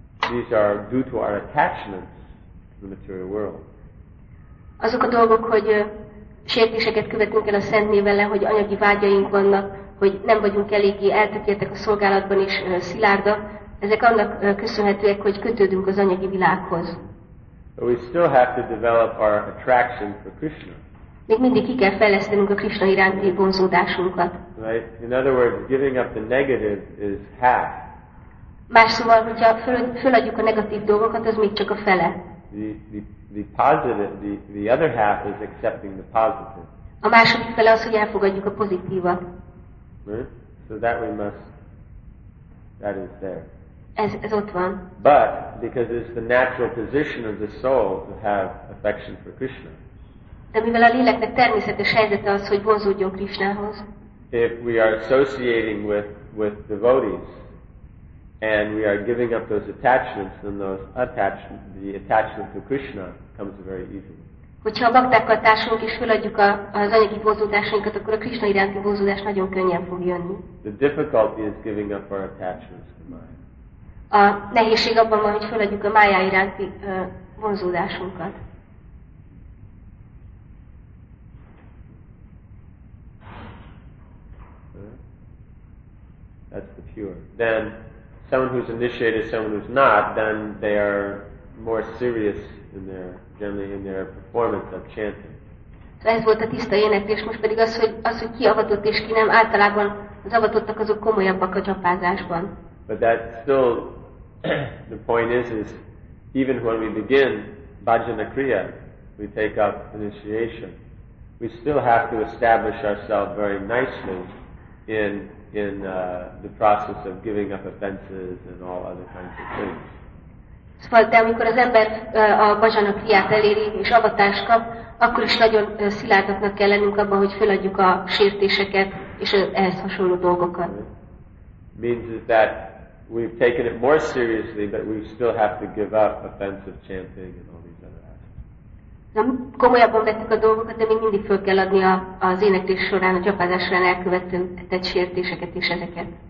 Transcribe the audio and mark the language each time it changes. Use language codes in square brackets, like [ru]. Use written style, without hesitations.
[en] These are due to our attachments to the material world. [hu] Azok a dolgok, hogy sértéseket követünk el a szent névvel, hogy anyagi vágyaink vannak, hogy nem vagyunk eléggé eltökéltek a szolgálatban és szilárda, ezek annak köszönhetőek, hogy kötődünk az anyagi világhoz. [en] But we still have to develop our attraction for Krishna. [hu] Még mindig ki kell fejlesztenünk a Krishna iránti vonzódásunkat. [en] Right? In other words, giving up the negative is half. [hu] Más szóval, hogyha föladjuk a negatív dolgokat, az még csak a fele. [en] The positive, the other half is accepting the positive. [hu] A második fele az, hogy elfogadjuk a pozitívat. [en] So that we must, that is there. [hu] Ez ott van. [en] But, because it's the natural position of the soul to have affection for Krishna. [hu] De mivel a léleknek természetes helyzete az, hogy vonzódjon Krishnához. [en] If we are associating with devotees, and we are giving up those attachments, then the attachment to Krishna comes very easily. [hu] Hogyha a baktákkal társulunk és feladjuk az anyagi vonzódásainkat, akkor a Krishna iránti vonzódás nagyon könnyen fog jönni. [en] The difficulty is giving up our attachments to Maya. [hu] A nehézség abban van, hogy feladjuk a Maya iránti vonzódásunkat. [en] That's the pure. Then someone who's initiated, someone who's not, then they are more serious in their performance of chanting. [hu] So ez volt a tiszta éneklés, most pedig az, hogy ki avatott és ki nem, általában az avatottak azok komolyabbak a dzsapázásban. [en] But that still, the point is even when we begin bhajana kriya, we take up initiation, we still have to establish ourselves very nicely in the process of giving up offenses and all other kinds of things. [hu] De amikor az ember a bhajana kriyát eléri és avatást kap, akkor is nagyon szilárdaknak kell lennünk abban, hogy feladjuk a sértéseket és ehhez hasonló dolgokat. [en] Means that we've taken it more seriously, but we still have to give up offensive chanting and all these other aspects. [hu] Nem komolyabban vettük a dolgokat, de még mindig fel kell adni az éneklés során, a gyapázás során elkövetett sértéseket és ezeket.